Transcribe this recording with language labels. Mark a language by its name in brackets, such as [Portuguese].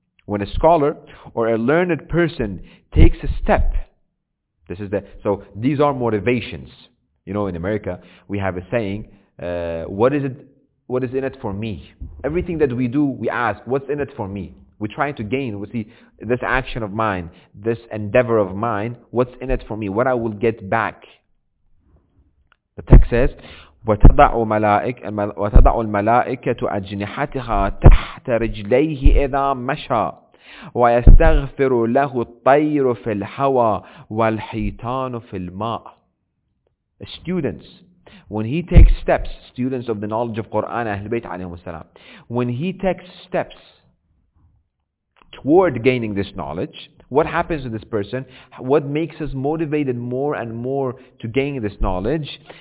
[English] When a scholar or a learned person takes a step, this is the, so these are motivations. You know, in America, we have a saying, what is in it for me? Everything that we do, we ask, what's in it for me? We try to gain, we see, this action of mine, this endeavor of mine, what's in it for me? What I will get back? The text says, [Arabic] وَتَضَعُ الْمَلَائِكَةُ أَجْنِحَتِهَا تَحْتَ رِجْلَيْهِ إِذَا مَشَى وَيَسْتَغْفِرُ لَهُ الطَّيْرُ فِي الْحَوَى وَالْحِيطَانُ فِي الْمَاءِ. [English] Students, when he takes steps, students of the knowledge of Qur'an, Ahl Bayt alayhim as-salam, when he takes steps toward gaining this knowledge, what happens to this person? What makes us motivated more and more to gain this knowledge?